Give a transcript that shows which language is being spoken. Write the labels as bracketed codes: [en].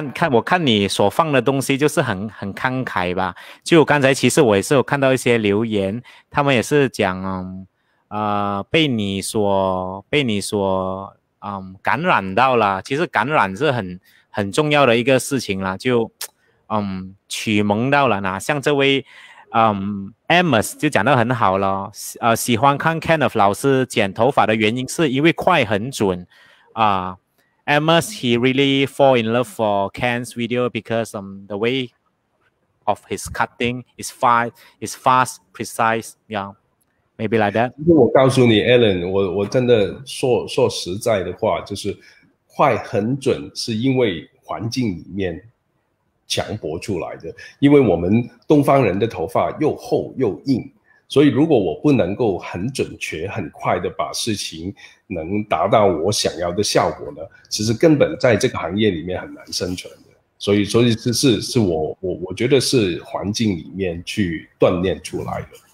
[zh] 我看你所放的东西就是很慷慨吧，就刚才其实我也是有看到一些留言，他们也是讲被你所感染到了，其实感染是很重要的一个事情啦，就启蒙到了呢，像这位Amos 就讲得很好了，喜欢看 Kenneth 老师剪头发的原因是因为快很准啊。 [en] Amos he really fall in love for Ken's video because the way of his cutting is fast, precise, yeah, maybe like that. [zh] 我告诉你 Alan， 我真的说实在的话，就是快很准是因为环境里面强迫出来的，因为我们东方人的头发又厚又硬，所以如果我不能够很准确很快的把事情能达到我想要的效果呢，其实根本在这个行业里面很难生存的，所以是我觉得是环境里面去锻炼出来的。